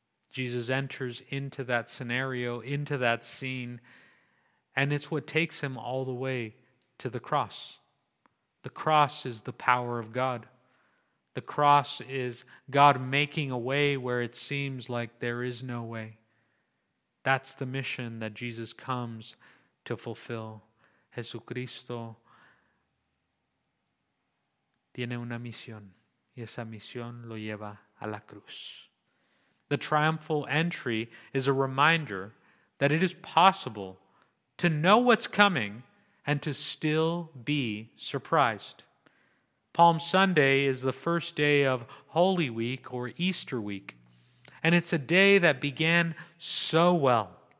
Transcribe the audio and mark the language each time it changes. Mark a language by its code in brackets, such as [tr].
[en] Jesus enters into that scenario, into that scene, and it's what takes him all the way to the cross. The cross is the power of God. The cross is God making a way where it seems like there is no way. That's the mission that Jesus comes to fulfill. [es] Jesucristo tiene una misión, y esa misión lo lleva a la cruz. [en] the triumphal entry is a reminder that it is possible to know what's coming and to still be surprised. Palm Sunday is the first day of Holy Week or Easter Week, and it's a day that began so well.